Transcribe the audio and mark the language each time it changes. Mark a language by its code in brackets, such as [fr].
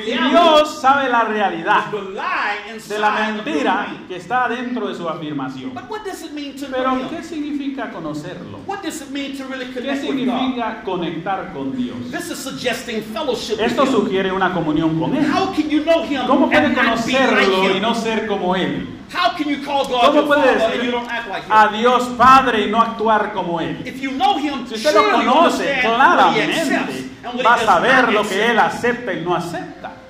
[es] Dios sabe la realidad de la mentira que está dentro de su afirmación. Pero ¿qué significa conocerlo? ¿Qué significa conectar con Dios? Esto sugiere una comunión con Él. ¿Cómo puede conocerlo y no ser como Él? [en] How can you call God your father if you don't act like him? [es] A Dios Padre y no actuar como Él. [en] If you know him, [es] si usted lo conoce, claramente [en] accepts, [es] va a saber lo que Él acepta y no acepta.